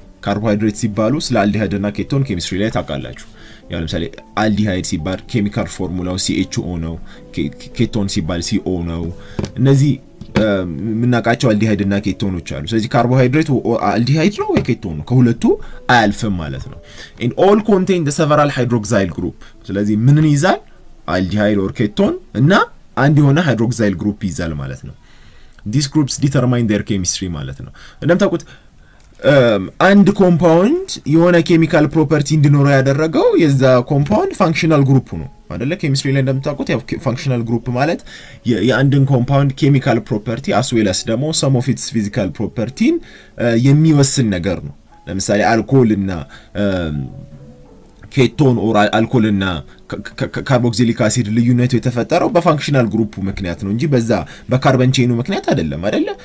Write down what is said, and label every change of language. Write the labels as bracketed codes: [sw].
[am] ካርቦሃይድሬት ሲባሉ ስለ አልዲሃይድ እና ኬቶን ኬሚስትሪ ላይ ታውቃላችሁ. ያው ለምሳሌ አልዲሃይድ ሲባል ኬሚካል ፎርሙላው CHO ነው, ኬቶን ሲባል CO ነው. እነዚህ ምናቃቸው አልዲሃይድ እና ኬቶኖች አሉ። ስለዚህ ካርቦሃይድሬት አልዲሃይድ ነው ወይ ኬቶን ነው? ከሁለቱ አያልፍም ማለት ነው. [en] and all contain the several hydroxyl group. [am] ስለዚህ ምንን ይዛል? አልዲሃይድ ኦር ኬቶን እና አንድ የሆነ ሃይድሮክሳይል ግሩፕ ይዛል ማለት ነው. [en] these groups determine their chemistry [am] ማለት ነው. እንደምታውቁት አንድ ኮምፓውንድ የሆነ ኬሚካል ፕሮፐርቲ እንዲኖረው ያደረገው የዛ ኮምፓውንድ ፋንክሽናል ግሩፕ ነው አይደለ? ኬሚስትሪ ላይ እንደምታውቁት ያው ፋንክሽናል ግሩፕ ማለት የአንድን ኮምፓውንድ ኬሚካል ፕሮፐርቲ አስ ዌል አስ ደሞ ሰም ኦፍ ኢትስ ፊዚካል ፕሮፐርቲን የሚወስን ነገር ነው። ለምሳሌ አልኮልና ኬቶን ኦር አልኮልና ካርቦክሲሊክ አሲድ ልዩነቱ የተፈጠረው በፋንክሽናል ግሩፕ ምክንያት ነው እንጂ በዛ በካርበን ቼኑ ምክንያት አይደለም አይደለ?